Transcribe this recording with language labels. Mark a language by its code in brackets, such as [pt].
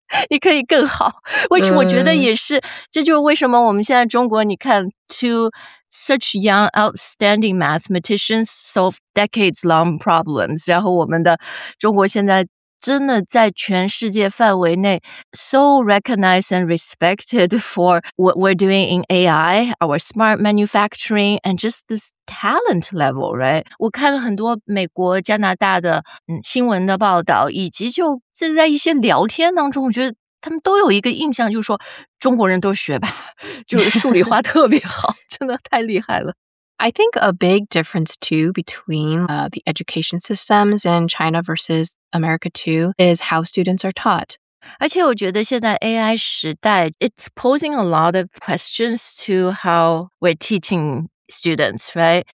[zh] 你可以更好 ，which 我觉得也是，这就是为什么我们现在中国，你看 ， [en] two such young outstanding mathematicians solve decades long problems， [zh] 然后我们的中国现在真的在全世界范围内 [en] so recognized and respected for what we're doing in AI, our smart manufacturing, and just this talent level, right? [zh] 我看了很多美国、加拿大的新闻的报道，以及就现在一些聊天当中，我觉得他们都有一个印象，就是说中国人都学霸，就数理化特别好，真的太厉害了。 [en] I think a big difference, too, between the education systems in China versus America, too, is how students are taught. [zh] 而且我觉得现在 AI 时代, [en] it's posing a lot of questions to how we're teaching students, right?